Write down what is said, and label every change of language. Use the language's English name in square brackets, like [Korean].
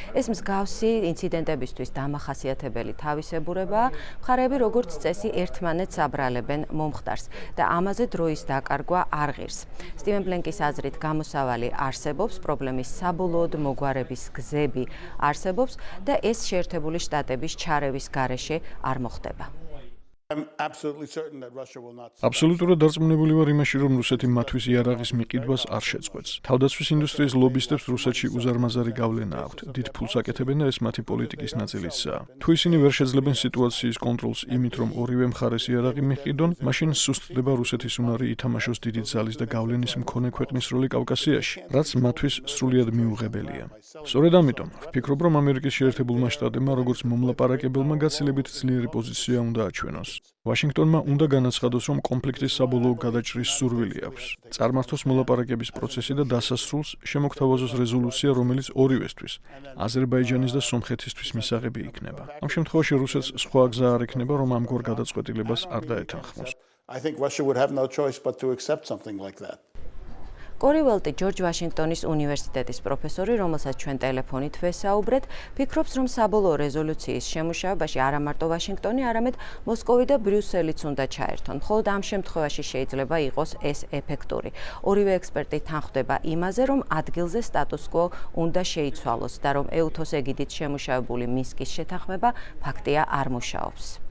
[Georgian] ეს მსგავსი ინციდენტებისთვის დამახასიათებელი თავისებურება, მხარეები როგორც წესი ერთმანეთს აბრალებენ მომხდარს და ამაზე დროის დაკარგვა არ ღირს. სტივენ ბლენკის აზრით, გამოსავალი არსებობს, პრობლემის საბოლოოდ მოგვარების გზები არსებობს და ეს შეერთებული შტატების ჩარევის გარეშე არ მოხდება. [English] I'm absolutely certain that Russia will not. [Georgian] Абсолютно დარწმუნებული ვარ იმაში, რომ რუსეთი მათვის იარაღის მიყიდვას არ შეწყვეტს. თავდაცვის ინდუსტრიის ლობისტებს რუსეთში უზარმაზარი გავლენა აქვთ. დიდ ფულს აკეთებენ და ეს მათი პოლიტიკის ნაწილიცაა. თუ ისინი ვერ შეძლებენ სიტუაციის კონტროლს იმით, რომ ორივე მხარეს იარაღი მიყიდონ, მაშინ სუსტდება რუსეთის უნარი ითამაშოს დიდი ძალის და გავლენის მქონე ქვეყნის როლი კავკასიაში, რაც მათვის სრულიად მიუღებელია. სწორედ ამიტომ, ვფიქრობ, რომ ამერიკის შეერთებულმა შტატებმა, როგორც მომლაპარაკებელმა, გაცილებით ძლიერი პოზიცია უნდა აჩვენონ. ვაშინგტონმა უნდა განაცხადოს, რომ კონფლიქტის საბოლოო გადაჭრის სურვილი აქვს. წარმართოს მოლაპარაკების პროცესი და დასასრულს შემოგთავაზოს რეზოლუცია, რომელიც ორივესთვის, აზერბაიჯანის და სომხეთისთვის მისაღები იქნება. ამ შემთხვევაში რუსეთს სხვა გზა არ ექნება, რომ ამგვარ გადაწყვეტილებას არ დაეთანხმოს. [English] I think Russia would have no choice but to accept something like that. [Georgian] კორი უელტი, ჯორჯ ვაშინგტონის უნივერსიტეტის პროფესორი, რომელსაც ჩვენ ტელეფონით ვესაუბრეთ, ფიქრობს, რომ საბოლოო რეზოლუციის შემუშავებაში არა მარტო ვაშინგტონი, არამედ მოსკოვი და ბრიუსელიც უნდა ჩაერთონ. მხოლოდ ამ შემთხვევაში შეიძლება იყოს ეს ეფექტური. ორივე ექსპერტი თანხდება იმაზე, რომ ადგილზე სტატუს-კვო უნდა შეიცვალოს და რომ ეუთოს ეგიდით შემუშავებული მინსკის შეთანხმება ფაქტია არ მუშაობს.